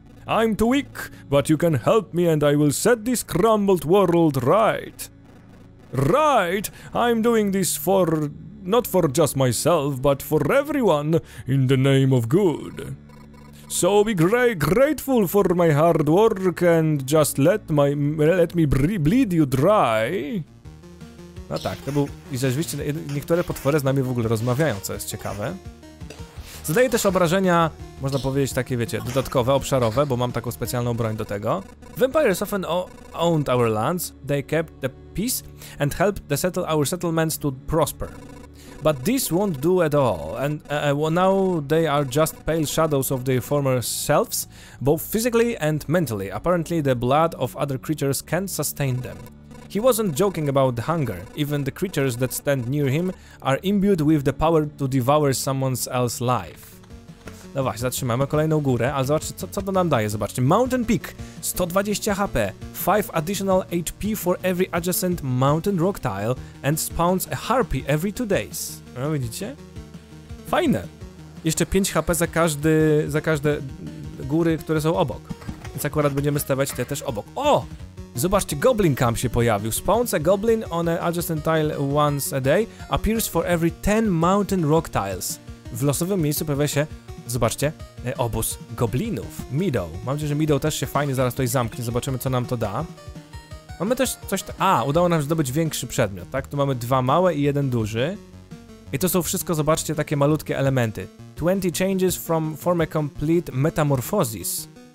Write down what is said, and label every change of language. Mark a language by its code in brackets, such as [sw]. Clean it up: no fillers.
[en] I'm too weak, but you can help me and I will set this crumbled world right. Right? I'm doing this for... not for just myself, but for everyone in the name of good. So be grateful for my hard work and just let me bleed you dry. [pl] No tak, to był... I rzeczywiście niektóre potwory z nami w ogóle rozmawiają, co jest ciekawe. Zadaję też obrażenia, można powiedzieć takie, wiecie, dodatkowe, obszarowe, bo mam taką specjalną broń do tego. [en] Vampires often owned our lands. They kept the peace and helped the our settlements to prosper. But this won't do at all, and now they are just pale shadows of their former selves, both physically and mentally. Apparently the blood of other creatures can't sustain them. He wasn't joking about the hunger. Even the creatures that stand near him are imbued with the power to devour someone else's life. [pl] No właśnie, zatrzymamy kolejną górę, ale zobaczcie, co to nam daje, zobaczcie. [en] Mountain Peak, 120 HP, 5 additional HP for every adjacent mountain rock tile and spawns a harpy every 2 days. [pl] No widzicie? Fajne. Jeszcze 5 HP za każde góry, które są obok. więc akurat będziemy stawiać te też obok. O! Zobaczcie, Goblin Camp się pojawił. [en] Spawns a goblin on an adjacent tile once a day, appears for every 10 mountain rock tiles. [pl] W losowym miejscu pojawia się, zobaczcie, obóz goblinów, Meadow. Mam nadzieję, że Meadow też się fajnie zaraz tutaj zamknie, zobaczymy co nam to da. Mamy też coś, udało nam zdobyć większy przedmiot, tak? Tu mamy dwa małe i jeden duży. I to są wszystko, zobaczcie, takie malutkie elementy. [en] 20 changes from form a complete metamorphosis.